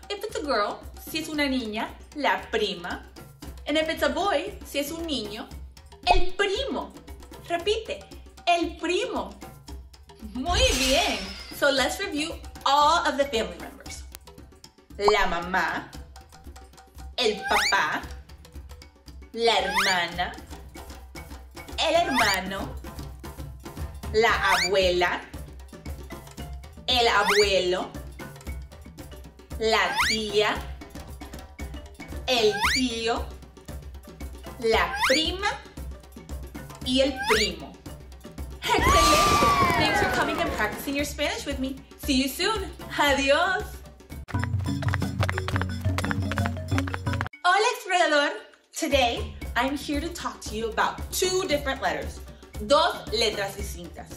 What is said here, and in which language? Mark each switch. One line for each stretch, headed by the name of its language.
English: if it's a girl,
Spanish: si es una niña, la prima.
English: And if it's a boy,
Spanish: si es un niño, el primo. Repite, el primo. Muy bien.
English: So let's review all of the family members.
Spanish: La mamá, el papá, la hermana, el hermano, la abuela, el abuelo, la tía, el tío, la prima y el primo. ¡Excelente!
English: Thanks for coming and practicing your Spanish with me. See you soon. Adiós.
Spanish: Hola, explorador.
English: Today, I'm here to talk to you about two different letters.
Spanish: Dos letras distintas.